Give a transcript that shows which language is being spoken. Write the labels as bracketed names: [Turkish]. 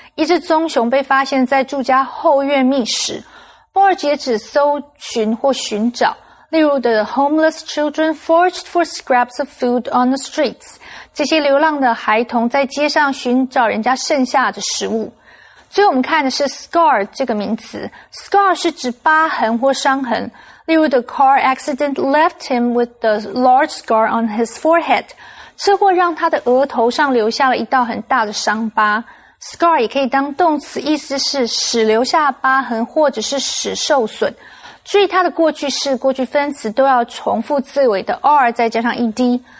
[Chinese] 一只棕熊被发现在住家后院觅食。 Forage 也指搜寻或寻找。例如 [English] ,the homeless children foraged for scraps of food on the streets. [Chinese] 这些流浪的孩童在街上寻找人家剩下的食物。最后我们看的是 scar 这个名词。scar 是指疤痕或伤痕。例如 [English] ,the car accident left him with a large scar on his forehead. [Chinese] 车祸让他的额头上留下了一道很大的伤疤。 scar 也可以当动词，意思是使留下疤痕或者是使受损。注意它的过去式、过去分词都要重复字尾的 r 再加上 ed。